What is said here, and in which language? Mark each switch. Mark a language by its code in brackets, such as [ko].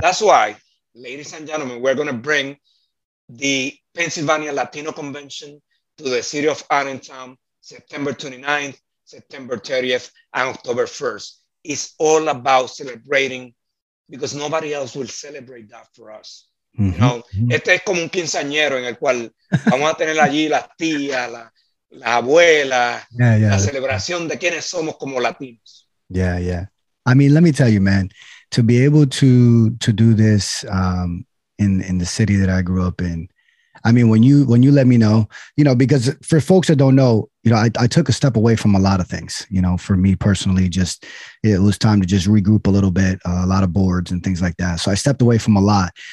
[en] That's why, ladies and gentlemen, we're going to bring the Pennsylvania Latino Convention to the city of Allentown September 29th, September 30th, and October 1st. It's all about celebrating, because nobody else will celebrate that for us. Mm-hmm. You know, [es] este es como un quinceañero en el cual vamos a tener allí las tías, las abuelas, la celebración de quienes somos como latinos. [en] Yeah, yeah. I mean, let me tell you, man, to be able to do this in the city that I grew up in, I mean, when you let me know, you know, because for folks that don't know, you know, I took a step away from a lot of things, you know, for me personally, just it was time to just regroup a little bit, a lot of boards and things like that. So I stepped away from a lot.